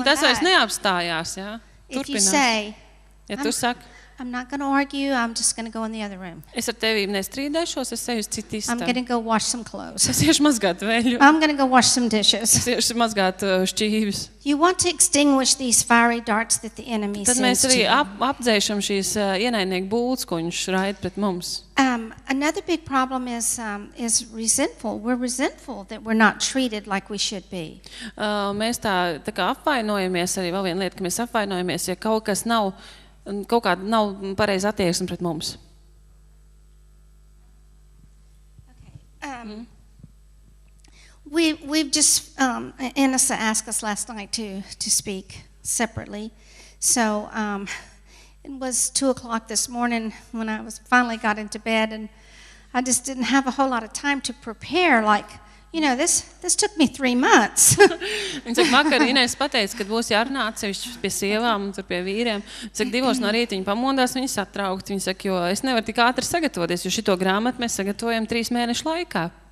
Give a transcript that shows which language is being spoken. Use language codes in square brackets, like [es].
[lv] Un tas vairs neapstājās, jā, turpinās. Ja tu saki, [en] I'm not going to argue, I'm just going to go in the other room. [lv] Es ar tevi nestrīdēšos, es eju uz citu istabu. [en] I'm going to go wash some clothes. [lv] Es iešu mazgāt veļu. [en] I'm going to go wash some dishes. [lv] Es iešu mazgāt šķības. [en] You want to extinguish these fiery darts that the enemy sends to. [lv] Tad mēs arī apdzēšam šīs ienaidnieku būtnes, ko viņš raid pret mums. [en] Another big problem is resentful. We're resentful that we're not treated like we should be. [lv] Mēs tā kā apvainojamies arī vēl vienu lietu, ka mēs apvainojamies, ja kaut kas nav kaut kāda nav pareiza attieksme pret mums. [en] Okay. We've just Anissa asked us last night to speak separately. So it was 2:00 this morning when I was finally got into bed and I just didn't have a whole lot of time to prepare like You know, this took me 3 months. [lv] Viņa saka, vakar Inēs pateica, kad būs jārunā atsevišķi pie sievām, tur pie vīriem. Viņa saka, 2:00 no rīta viņa pamodās, viņa satraukta. Viņa saka, jo es nevaru tik ātri sagatavoties, jo šito grāmatu mēs sagatavojam 3 mēnešu laikā.